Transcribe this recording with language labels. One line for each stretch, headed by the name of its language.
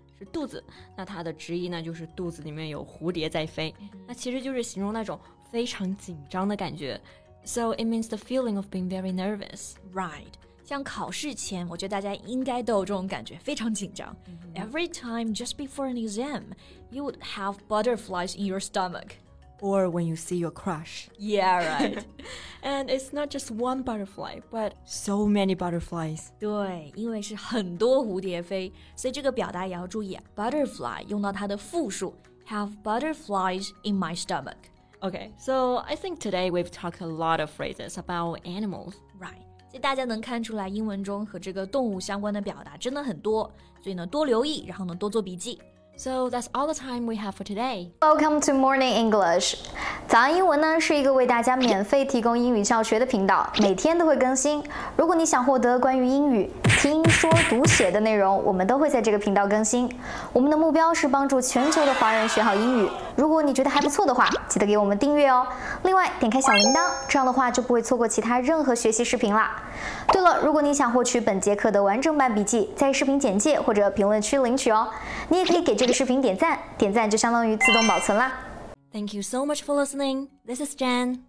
Chinese: 是肚子，那它的直译呢就是肚子里面有蝴蝶在飞，那其实就是形容那种非常紧张的感觉。
English: So it means the feeling of being very nervous. Right.
Chinese: 像考试前，我觉得大家应该都有这种感觉，非常紧张。
English: Every time just before an exam, you would have butterflies in your stomach. Or when you see your crush. Yeah, right. And it's not just one butterfly, but so many butterflies.
Chinese: 对，因为是很多蝴蝶飞，所以这个表达也要注意。
English: Butterfly
Chinese: 用到它的复数
English: ，have butterflies in my stomach. Okay, so I think today we've talked a lot of phrases about animals. Right.
Chinese: 所以大家能看出来，英文中和这个动物相关的表达真的很多。所以呢，多留意，然后呢，多做笔记。
English: So that's all the time we have for today. Welcome to Morning English.
Chinese: 早安英文呢是一个为大家免费提供英语教学的频道，每天都会更新。如果你想获得关于英语听说读写的内容，我们都会在这个频道更新。我们的目标是帮助全球的华人学好英语。如果你觉得还不错的话，记得给我们订阅哦。另外，点开小铃铛，这样的话就不会错过其他任何学习视频啦。对了，如果你想获取本节课的完整版笔记，在视频简介或者评论区领取哦。你也可以给这个视频点赞，点赞就相当于自动保存啦。
English: Thank you so much for listening. This is Jen.